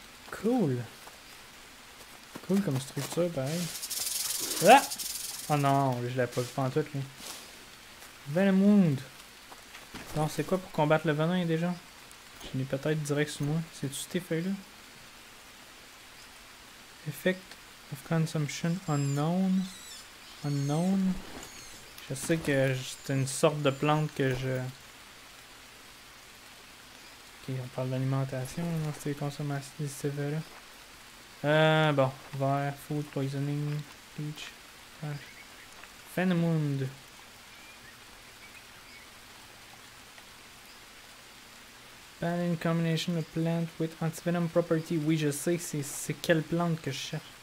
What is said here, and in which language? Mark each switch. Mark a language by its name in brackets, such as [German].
[French] Cool. Cool comme structure, pareil. Ah! Oh non, je l'ai pas vu en tout, lui. Venomwound. Non, c'est quoi pour combattre le venin, déjà? Je l'ai peut-être direct sous moi. C'est-tu cet effet-là? [English] Effect of consumption unknown. Unknown. [French] Je sais que c'est une sorte de plante que je... Ok, on parle d'alimentation, là, dans ces consommations, ces effets-là. Bon. Vert, [English] food poisoning, peach. Venomwound. Ban in combination of plant with antivenom property. [French] Oui, je sais, c'est quelle plante que je cherche.